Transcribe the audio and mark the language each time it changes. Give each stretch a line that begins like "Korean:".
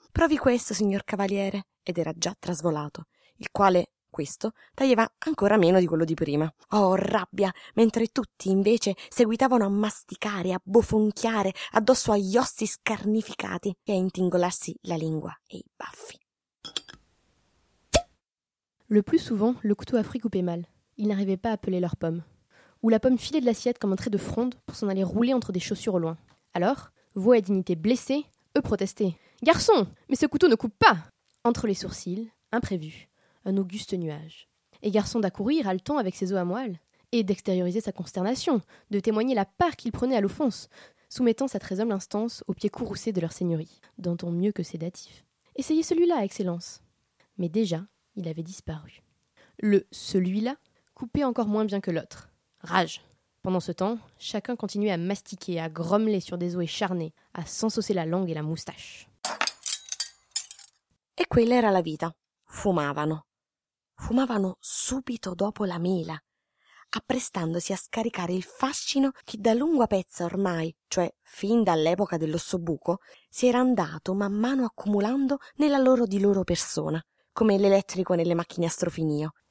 Italian: «Provi questo, signor cavaliere!» ed era già trasvolato, il quale... questo taglieva ancora meno di quello di prima. Oh, rabbia! Mentre tutti, invece, seguitavano a masticare, a bofonchiare addosso agli ossi scarnificati e a intingolarsi la lingua e i baffi.
French: Le plus souvent, le couteau à fruits coupait mal. Ils n'arrivaient pas à peler leurs pommes. Ou la pomme filait de l'assiette comme un trait de fronde pour s'en aller rouler entre des chaussures au loin. Alors, voix et dignité blessées, eux protestaient. « Garçon, mais ce couteau ne coupe pas !» Entre les sourcils, imprévu. Un auguste nuage. Et garçon d'accourir, haletant avec ses os à moelle, et d'extérioriser sa consternation, de témoigner la part qu'il prenait à l'offense, soumettant sa très humble instance aux pieds courroucés de leur seigneurie, d'un ton mieux que sédatif. Essayez celui-là, excellence. Mais déjà, il avait disparu. Le « celui-là » coupait encore moins bien que l'autre. Rage. Pendant ce temps, chacun continuait à mastiquer, à grommeler sur des os écharnés, à s'ensaucer la langue et la moustache.
Italian: Et quelle era la vita. Fumavano. Fumavano subito dopo la mela, apprestandosi a scaricare il fascino che da lunga pezza ormai, cioè fin dall'epoca dell'ossobuco, si era andato man mano accumulando nella loro di loro persona, come l'elettrico nelle macchine astrofinio.